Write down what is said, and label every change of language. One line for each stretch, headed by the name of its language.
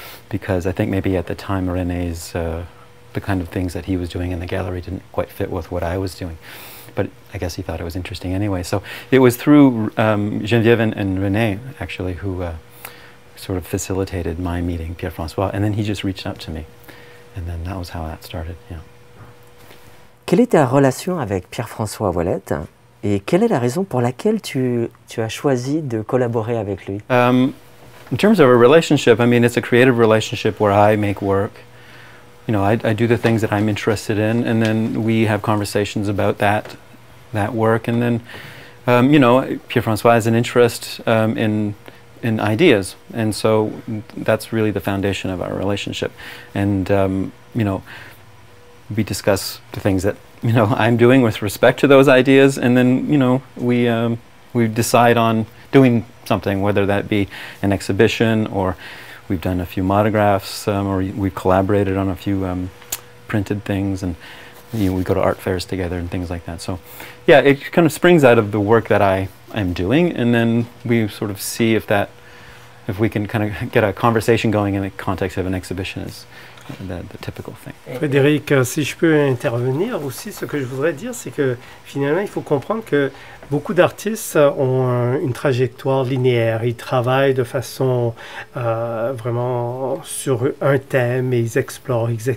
English: Because I think maybe at the time René's, the kind of things that he was doing in the gallery didn't quite fit with what I was doing. But I guess he thought it was interesting anyway. So it was through Geneviève and René, actually, who sort of facilitated my meeting, Pierre François. And then he just reached out to me. And then that was how that started, yeah.
French: Quelle est ta relation avec Pierre François Ouellette? Et quelle est la raison pour laquelle tu as choisi de collaborer avec lui?
English: In terms of a relationship, I mean, it's a creative relationship where I make work. You know, I do the things that I'm interested in, and then we have conversations about that work. And then, you know, Pierre François has an interest in ideas. And so that's really the foundation of our relationship. And, you know, we discuss the things that, you know, I'm doing with respect to those ideas. And then, you know, we decide on doing something, whether that be an exhibition or we've done a few monographs or we've collaborated on a few printed things and you know, we go to art fairs together and things like that. So yeah, it kind of springs out of the work that I am doing and then we sort of see if we can kind of get a conversation going in the context of an exhibition is the typical thing.
French: Frédéric, si je peux intervenir aussi, ce que je voudrais dire, c'est que finalement, il faut comprendre que beaucoup d'artistes ont une trajectoire linéaire. Ils travaillent de façon vraiment sur un thème et ils explorent.